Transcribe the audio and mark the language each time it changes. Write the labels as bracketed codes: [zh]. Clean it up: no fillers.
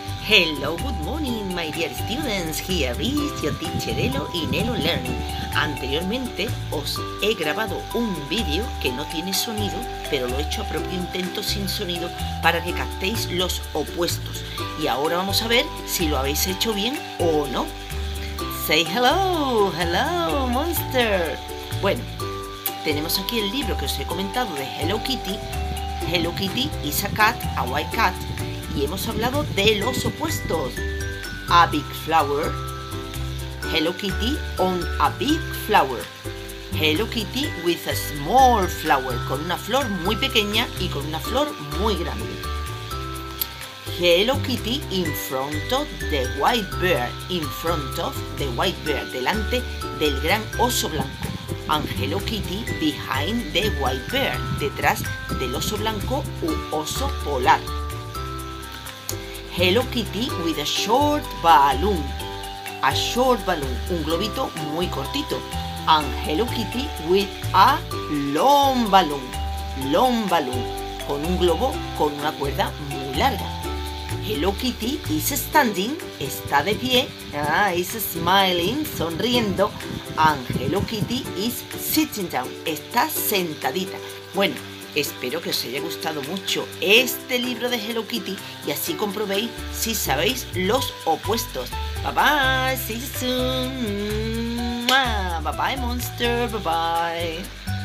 [en] Hello, good morning, my dear students. Here is your teacher Elo in Elo Learn. [es] Anteriormente os he grabado un vídeo que no tiene sonido, pero lo he hecho a propio intento sin sonido para que captéis los opuestos. Y ahora vamos a ver si lo habéis hecho bien o no. Say hello, hello, monster. Bueno, tenemos aquí el libro que os he comentado de Hello Kitty. [en] Hello Kitty is a cat, a white cat. [es] Y hemos hablado de los opuestos. [en] A big flower. Hello Kitty on a big flower. Hello Kitty with a small flower. [es] Con una flor muy pequeña y con una flor muy grande. [en] Hello Kitty in front of the white bear. In front of the white bear. [es] Delante del gran oso blanco. [en] And Hello Kitty behind the white bear. [es] Detrás del oso blanco u oso polar. [en] Hello Kitty with a short balloon. A short balloon, [es] un globito muy cortito. [en] And Hello Kitty with a long balloon. Long balloon, [es] con un globo con una cuerda muy larga. [en] Hello Kitty is standing, [es] está de pie. [en] Is smiling, sonriendo. And Hello Kitty is sitting down, [es] está sentadita. Bueno, espero que os haya gustado mucho este libro de Hello Kitty y así comprobéis si sabéis los opuestos. [en] Bye bye, see you soon. Bye bye, monster, bye bye.